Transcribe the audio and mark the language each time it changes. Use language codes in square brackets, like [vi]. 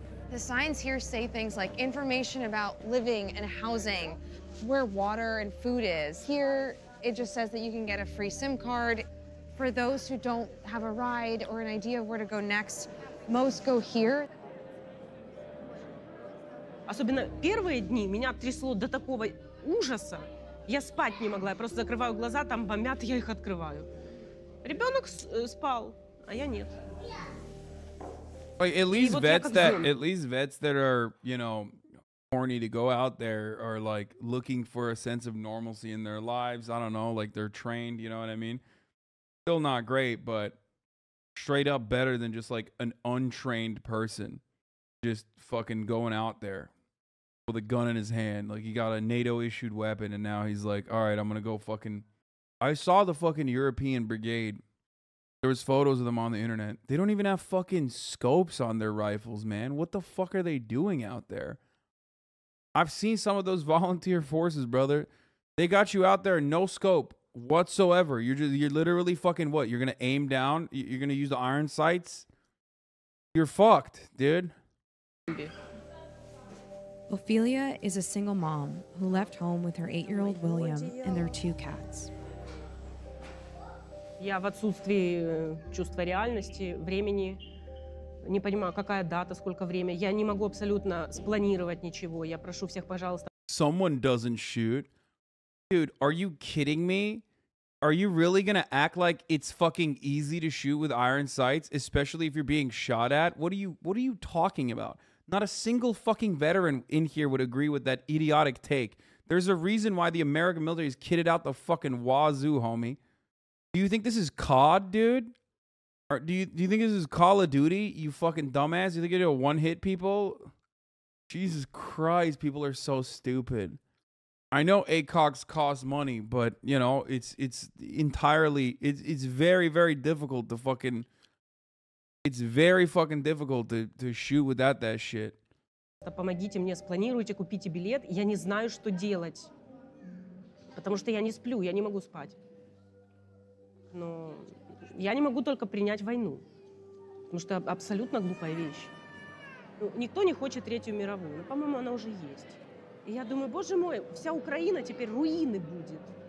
[en] The signs here say things like information about living and housing, where water and food is. Here, it just says that you can get a free SIM card. For those who don't have a ride or an idea of where to go next, most go here. [ru] Особенно первые дни меня трясло до такого ужаса. Я спать не могла. Я просто закрываю глаза, там бомбят, я их открываю. Ребенок спал, а я нет. [en] Like, at least vets that are, you know, horny to go out there are, like, looking for a sense of normalcy in their lives. I don't know, like, they're trained, you know what I mean? Still not great, but straight up better than just, like, an untrained person just fucking going out there with a gun in his hand. Like, he got a NATO-issued weapon, and now he's like, all right, I'm gonna go fucking... I saw the fucking European Brigade... There was photos of them on the internet. They don't even have fucking scopes on their rifles, man. What the fuck are they doing out there? I've seen some of those volunteer forces, brother. They got you out there, no scope whatsoever. You're literally fucking what? You're going to aim down? You're going to use the iron sights? You're fucked, dude. Ophelia is a single mom who left home with her 8-year-old William and their 2 cats. [ru] Я в отсутствии чувства реальности, времени, не понимаю, какая дата, сколько времени. Я не могу абсолютно спланировать ничего. Я прошу всех, пожалуйста. [en] Someone doesn't shoot. Dude, are you kidding me? Are you really going to act like it's fucking easy to shoot with iron sights, especially if you're being shot at? What are you talking about? Not a single fucking veteran in here would agree with that idiotic take. There's a reason why the American military is kitted out the fucking wazoo, homie. Do you think this is COD, dude? Or do you think this is Call of Duty, you fucking dumbass? You think you're gonna one-hit people? Jesus Christ, people are so stupid. I know ACOGs cost money, but, you know, it's very fucking difficult to shoot without that shit. [ru] Помогите мне, спланируйте, купите билет. Я не знаю, что делать. Потому что я не сплю, я не могу спать. но я не могу только принять войну, потому что абсолютно глупая вещь. Ну, никто не хочет Третью мировую, но, по-моему, она уже есть. И я думаю, боже мой, вся Украина теперь руины будет.